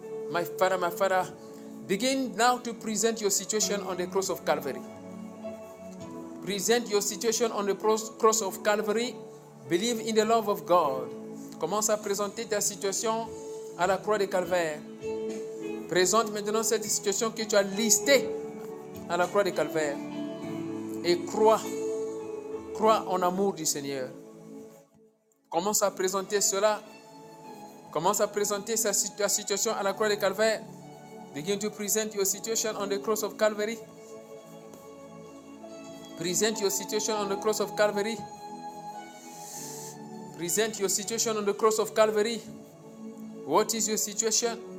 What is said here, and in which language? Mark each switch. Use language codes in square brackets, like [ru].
[en] My Father, begin now to present your situation on the cross of Calvary. Present your situation on the cross of Calvary. Believe in the love of God. [fr] Commence à présenter ta situation à la croix de Calvaire. Présente maintenant cette situation que tu as listée à la croix de Calvaire. Et crois. Crois en amour du Seigneur. Commence à présenter cela. Commence à présenter ta situation à la croix de Calvaire. [en] Begin to present your situation on the cross of Calvary. Present your situation on the cross of Calvary. Present your situation on the cross of Calvary. What is your situation?